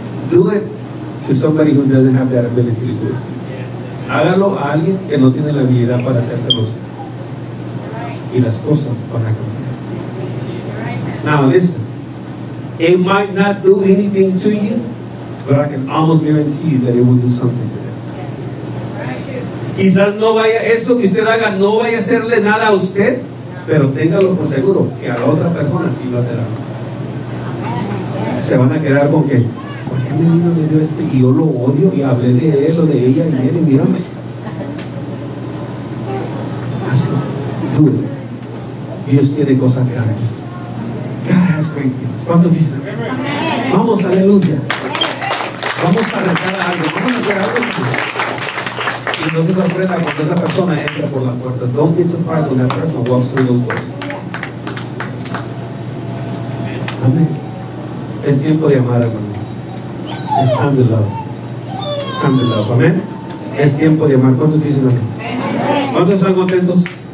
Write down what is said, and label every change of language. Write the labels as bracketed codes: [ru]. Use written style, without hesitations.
[en] Do it to somebody who doesn't have that ability to do it. [es] Hágalo a alguien que no tiene la habilidad para hacérselo. Y las cosas van a cambiar. [en] Now listen. It might not do anything to you, but I can almost guarantee you that it will do something to you. [es] Quizás no vaya, eso que usted haga no vaya a hacerle nada a usted, pero téngalo por seguro que a la otra persona sí lo hacerá. Se van a quedar con que, ¿por qué mi niño me dio este? Y yo lo odio y hablé de él o de ella y mire, mírame. Así, tú, Dios tiene cosas grandes. [en] God has great things. [es] ¿Cuántos dicen? [en] Amen. [es] Vamos, aleluya. Vamos a arreglar algo. Vamos a hacer algo. Y no se sorprenda cuando esa persona entra por la puerta. [en] Don't be surprised when that person walks through those doors. [es] Amén. Es tiempo de amar, hermano. [en] It's time to love. It's time to love. [es] Amén. Es tiempo de amar. ¿Cuántos dicen amén? ¿Cuántos están contentos?